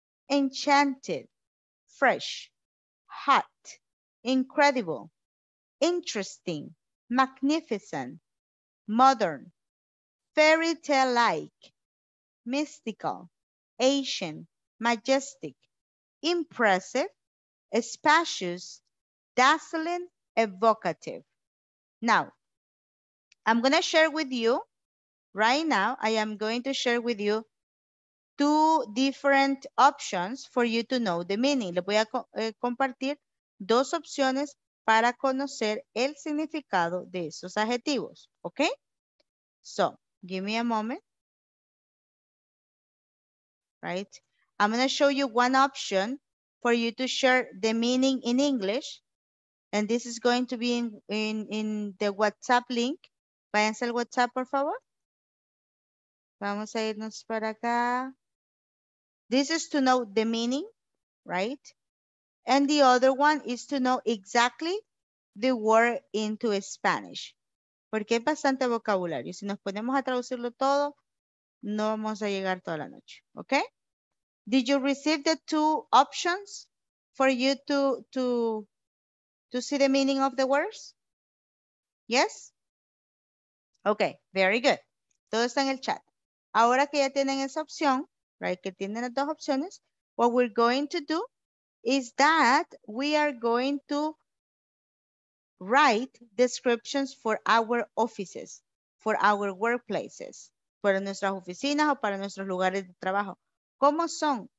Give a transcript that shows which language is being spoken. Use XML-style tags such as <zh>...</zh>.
<en>enchanted, fresh, hot, incredible, interesting, magnificent, modern, fairy tale like, mystical, ancient, majestic, impressive, spacious, dazzling, evocative. Now, I'm going to share with you, right now, I am going to share with you two different options for you to know the meaning.</en> <es>Le voy a compartir dos opciones para conocer el significado de esos adjetivos, ¿ok?</es> <en>So, give me a moment. Right? I'm going to show you one option for you to share the meaning in English. And this is going to be in the WhatsApp link.</en> <es>Váyanse al WhatsApp, por favor. Vamos a irnos para acá.</es> <en>This is to know the meaning, right? And the other one is to know exactly the word into Spanish.</en> <es>Porque es bastante vocabulario. Si nos ponemos a traducirlo todo, no vamos a llegar toda la noche, okay?</es> <en>Did you receive the two options for you to see the meaning of the words? Yes? Okay, very good.</en> <es>Todo está en el chat. Ahora que ya tienen esa opción, right, que tienen las dos opciones,</es> <en>what we're going to do is that we are going to write descriptions for our offices, for our workplaces,</en> <es>para nuestras oficinas o para nuestros lugares de trabajo. ¿Cómo son?</es>